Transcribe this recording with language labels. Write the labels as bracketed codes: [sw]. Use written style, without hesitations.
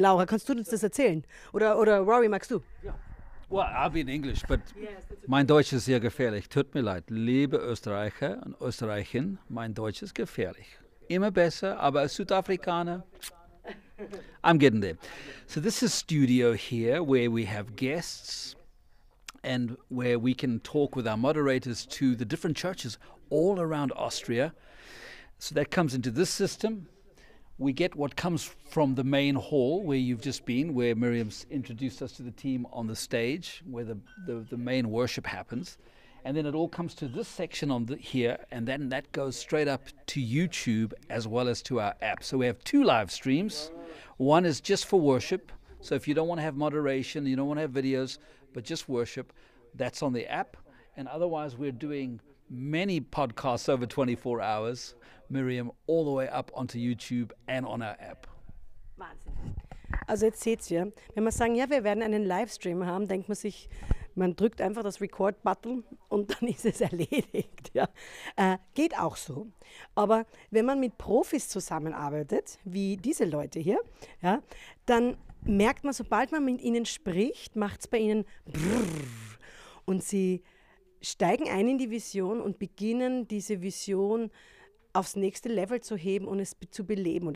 [de] Laura, kannst du uns das erzählen? Oder Rory, magst du? Ja. Well, I'll be in English, but mein Deutsch ist sehr gefährlich. Tut mir leid. Liebe Österreicher und Österreicherin, mein Deutsch ist gefährlich. Immer besser, aber als Südafrikaner, I'm getting there. [en] So this is a studio here where we have guests and where we can talk with our moderators to the different churches all around Austria. So that comes into this system. We get what comes from the main hall where you've just been, where Miriam's introduced us to the team on the stage, where the main worship happens. And then it all comes to this section on the, here, and then that goes straight up to YouTube as well as to our app. So we have two live streams. One is just for worship. So if you don't want to have moderation, you don't want to have videos, but just worship, that's on the app. And otherwise we're doing many podcasts over 24 hours, Miriam, all the way up onto YouTube and on our app. [de] Wahnsinn. Also jetzt seht ihr, wenn wir sagen, ja, wir werden einen Livestream haben, denkt man sich, man drückt einfach das Record-Button und dann ist es erledigt. Ja. Geht auch so. Aber wenn man mit Profis zusammenarbeitet, wie diese Leute hier, ja, dann merkt man, sobald man mit ihnen spricht, macht es bei ihnen brrrr und sie steigen ein in die Vision und beginnen, diese Vision aufs nächste Level zu heben und es zu beleben.